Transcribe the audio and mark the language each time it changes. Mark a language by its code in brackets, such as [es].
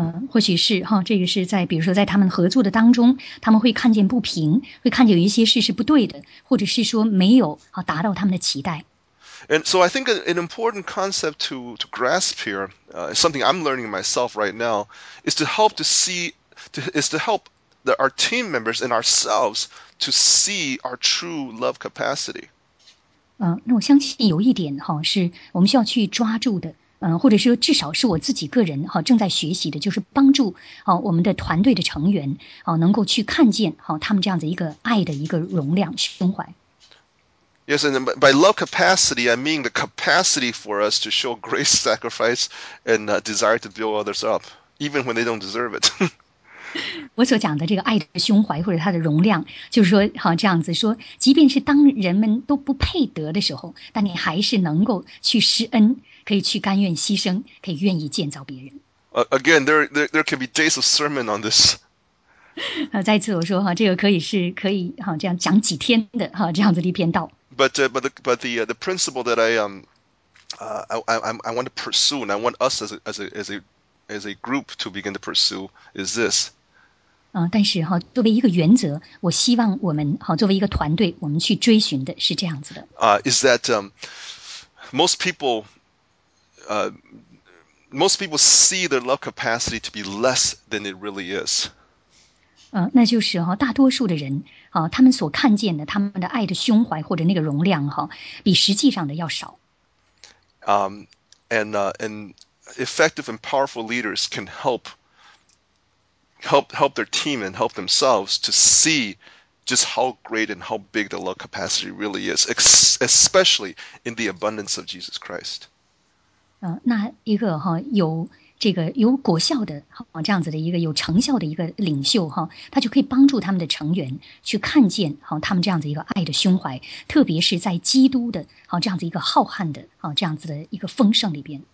[zh] 或许是哈，这个是在比如说在他们合作的当中，他们会看见不平，会看见有一些事是不对的，或者是说没有达到他们的期待。 [en] And so I think an important concept to grasp here, something I'm learning myself right now, is to help our team members and ourselves. To see our true love capacity. [zh] 那我相信有一点是我们需要去抓住的，或者说至少是我自己个人正在学习的，就是帮助我们的团队的成员能够去看见他们这样子一个爱的一个容量胸怀。 [en] Yes, and by love capacity, I mean the capacity for us to show grace, sacrifice, and desire to build others up, even when they don't deserve it. [zh] 我所讲的这个爱的胸怀或者它的容量，就是说这样子说，即便是当人们都不配得的时候，但你还是能够去施恩，可以去甘愿牺牲，可以愿意建造别人。 [en] Again, there can be days of sermon on this. [zh] 再次我说这个可以这样讲几天的这样子的一篇道。 [en] But the principle that I want to pursue and I want us as a group to begin to pursue is this. [zh] 但是哈，作为一个原则，我希望我们哈，作为一个团队，我们去追寻的是这样子的。 [en] Is that most people see their love capacity to be less than it really is. [zh] 那就是哈，大多数的人啊，他们所看见的他们的爱的胸怀或者那个容量哈，比实际上的要少。 [en] And effective and powerful leaders can help their team and help themselves to see just how great and how big the love capacity really is, especially in the abundance of Jesus Christ. [zh] 那一个有这个有果效的这样子的一个有成效的一个领袖哈，他就可以帮助他们的成员去看见他们这样子一个爱的胸怀，特别是在基督的这样子一个浩瀚的这样子的一个丰盛里边。